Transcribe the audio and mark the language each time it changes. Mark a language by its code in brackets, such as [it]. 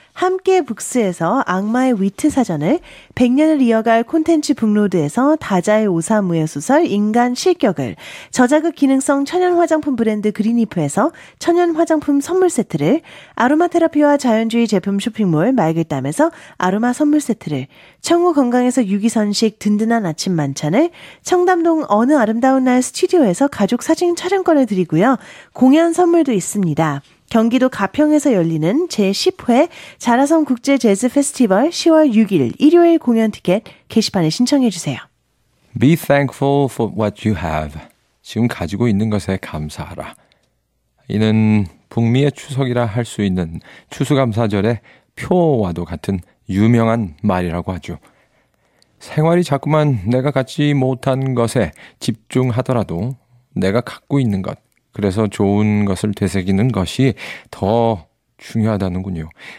[ko] 함께 북스에서 악마의 위트 사전을, 100년을 이어갈 콘텐츠 북로드에서 다자의 오사무의 소설 인간 실격을, 저자극 기능성 천연 화장품 브랜드 그린이프에서 천연 화장품 선물 세트를, 아로마 테라피와 자연주의 제품 쇼핑몰 맑을땀에서 아로마 선물 세트를, 청우 건강에서 유기선식 든든한 아침 만찬을, 청담동 어느 아름다운 날 스튜디오에서 가족 사진 촬영권을 드리고요. 공연 선물도 있습니다. 경기도 가평에서 열리는 제10회 자라섬 국제 재즈 페스티벌 10월 6일 일요일 공연 티켓 게시판에 신청해 주세요. [en] Be thankful for what you have. [ko] 지금 가지고 있는 것에 감사하라. 이는 북미의 추석이라 할 수 있는 추수감사절의 표와도 같은 유명한 말이라고 하죠. 생활이 자꾸만 내가 갖지 못한 것에 집중하더라도 내가 갖고 있는 것, 그래서 좋은 것을 되새기는 것이 더 중요하다는군요.